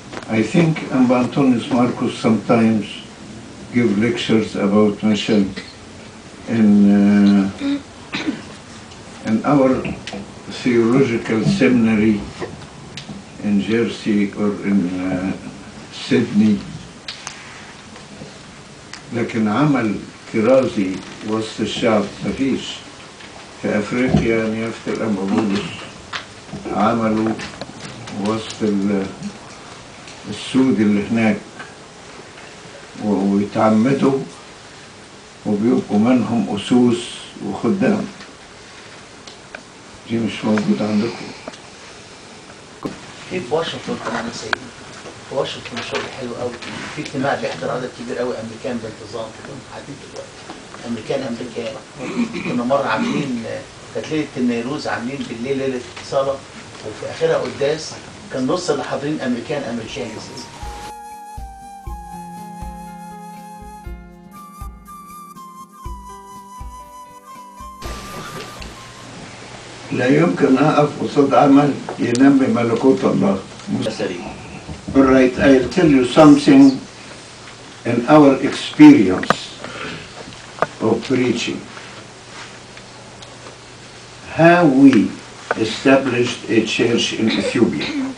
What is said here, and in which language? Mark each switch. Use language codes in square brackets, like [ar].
[en] I think Ambantonis Marcus sometimes give lectures about mission in our theological seminary in Jersey or in Sydney. [ar] لكن in عمل كرازي وسط الشعب مفيش في افريقيا نيافه الام بولس عملوا وسط السود اللي هناك ويتعمدوا وبيبقوا منهم اسوس وخدام دي مش موجود عندكم في واشنطن كمان سيدي واشنطن شغل حلو قوي في اجتماع بيحضر عدد كبير قوي امريكان بانتظام في حديد الوقت امريكان كنا مره عاملين كانت ليله النيروز عاملين بالليل ليله صلاه وفي اخرها قداس كان نص اللي حاضرين امريكان لا يمكن اقف قصاد عمل ينمي ملكوت الله سليم [en] Alright, I'll tell you something in our experience of preaching. How we established a church in Ethiopia.